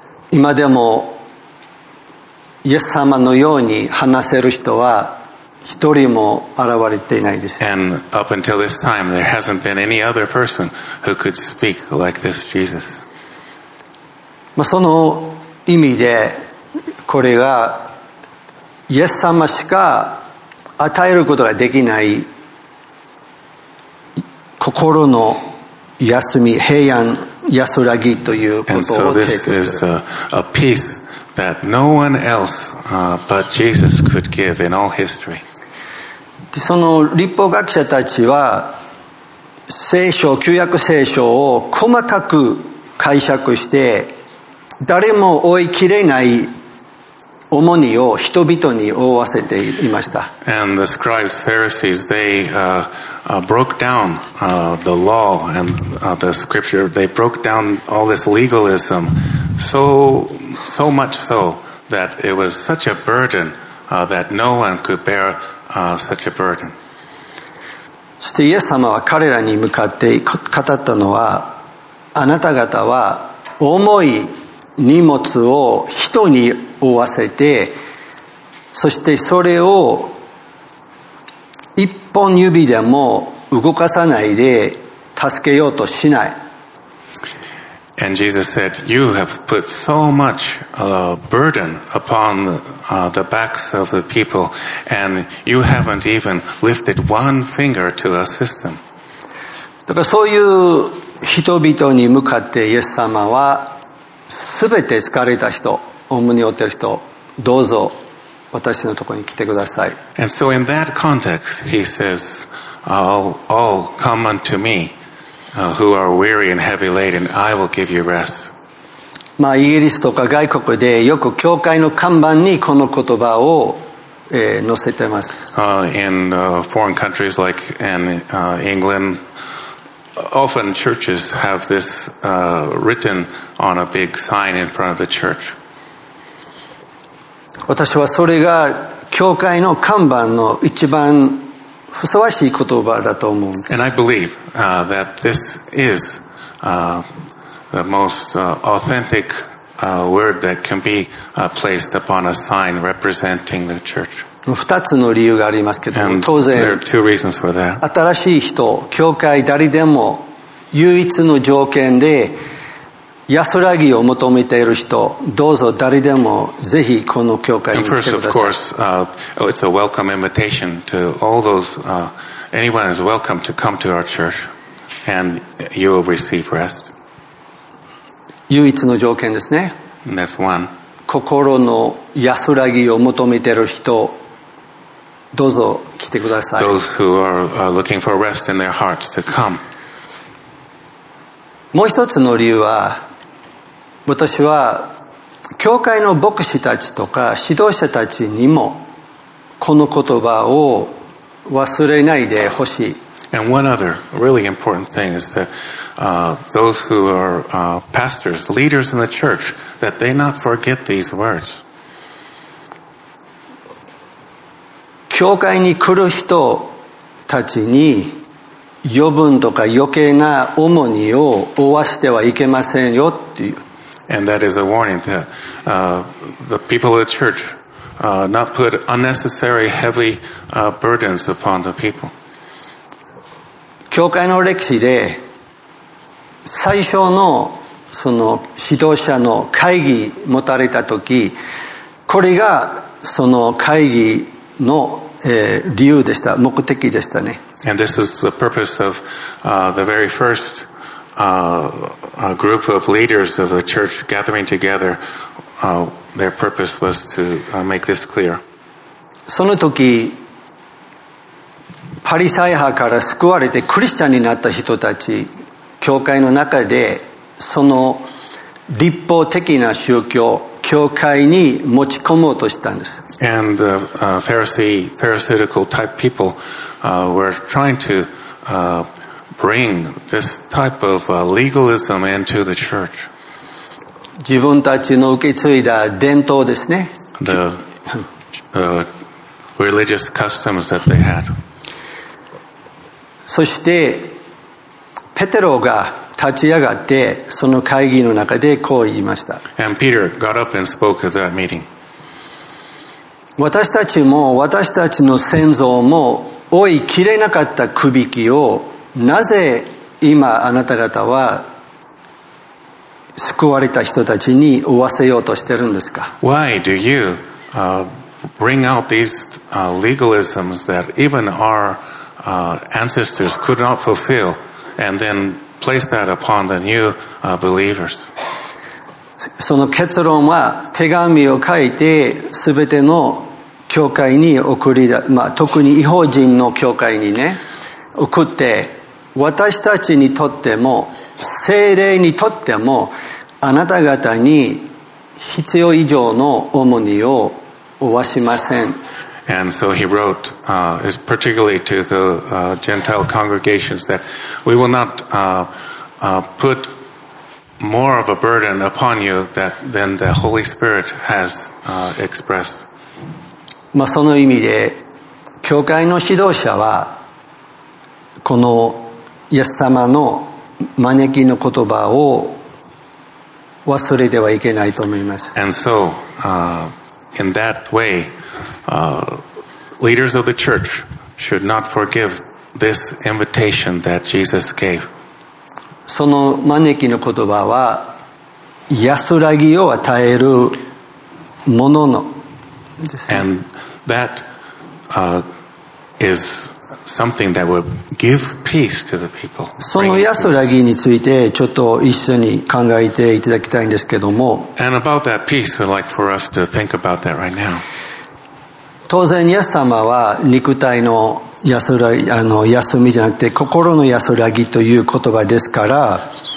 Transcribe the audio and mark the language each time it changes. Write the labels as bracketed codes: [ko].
[ja] 今でもイエス様のように話せる人は一人も現れていないです。 [en] And up until this time, there hasn't been any other person who could speak like this Jesus. [ja] まあその意味でこれがイエス様しか与えることができない心の休み、平安。安らぎということを提供する。 [en] And so this is a peace that no one else but Jesus could give in all history. [ja] その律法学者たちは聖書、旧約聖書を細かく解釈して誰も追いきれない重荷を人々に負わせていました。 [en] And the scribes, Pharisees, theybroke down the law and the scripture. They broke down all this legalism so much so that it was such a burden that no one could bear such a burden. [ja] そしてイエス様は彼らに向かって語ったのは、あなた方は重い荷物を人に負わせて、そしてそれを一本指でも動かさないで助けようとしない。 [en] And Jesus said, "You have put so much burden upon the backs of the people, and you haven't even lifted one finger to assist them." [ja] だからそういう人々に向かってイエス様は、すべて疲れた人、重荷を負っている人、どうぞ。私のところに来てください。 [en] And so in that context, he says, all come unto me, who are weary and heavy laden, I will give you rest. [ja] まあイギリスとか外国でよく教会の看板にこの言葉を、載せてます。 [en] In foreign countries like in England, often churches have this written on a big sign in front of the church. [ja] 私はそれが教会の看板の一番ふさわしい言葉だと思うんです。 [en] And I believe that this is the most authentic word that can be placed upon a sign representing the church. [ja] 二つの理由がありますけども、 [en] And、 [ja] 当然 [en] there are two reasons for that. [ja] 新しい人、教会誰でも唯一の条件で安らぎを求めている人、どうぞ誰でもぜひこの教会に来てください。 [en] And first, of course, it's a welcome invitation to all those. Anyone is welcome to come to our church, and you will receive rest. [ja] 唯一の条件ですね。 [en] And that's one. [ja] 心の安らぎを求めている人、どうぞ来てください。 [en] Those who are looking for rest in their hearts to come. [ja] もう一つの理由は、私は教会の牧師たちとか指導者たちにもこの言葉を忘れないでほしい。 [en] And one other really important thing is that those who are pastors, leaders in the church, that they not forget these words. [ja] 教会に来る人たちに余分とか余計な重荷を負わせてはいけませんよっていう。 [en] And that is a warning that the people of the church not put unnecessary heavy burdens upon the people. [ja] 教会の歴史で最初のその指導者の会議持たれた時、これがその会議の、理由でした、目的でしたね。 [en] And this is the purpose of、the very first、group of leaders of the church gathering together.、their purpose was to、make this clear. [ja] その時、パリサイ派から救われてクリスチャンになった人たち、教会の中でその立法的な宗教、教会に持ち込もうとしたんです。 [en] And the、Pharisaical type people、were trying to、bring this type of、legalism into the church. [ja] 自分たちの受け継いだ伝統ですね。 [en] The、religious customs that they had. [ja] そしてペテロが立ち上がってその会議の中でこう言いました。 [en] And Peter got up and spoke at that meeting. [ja] 私たちも私たちの先祖も追い切れなかった首輝きをなぜ今あなた方は救われた人たちに負わせようとしてるんですか。 [en] Why do you、bring out these、legalisms that even our、ancestors could not fulfill and then place that upon the new、believers? [ja] その結論は手紙を書いて全ての教会に送り、まあ、特に異邦人の教会にね送って、私たちにとっても聖霊にとってもあなた方に必要以上の重荷を負わしません。 [en] And so he wrote、particularly to the、Gentile congregations that we will not、put more of a burden upon you that, than the Holy Spirit has、expressed。 [ja] まあその意味で教会の指導者はこのイエス様の招きの言葉を忘れてはいけないと思います。 [en] And so、in that way、leaders of the church should not forgive this invitation that Jesus gave。 [ja] その招きの言葉は安らぎを与えるものの、ね、 [en] And that、is something that would give peace to the people。 [ja] その安らぎについてちょっと一緒に考えていただきたいんですけども、 [en] And about that peace, I'd like for us to think about that right now。 [ja] 当然イエス様は肉体の安らぎ、あの休みじゃなくて心の安らぎという言葉ですから、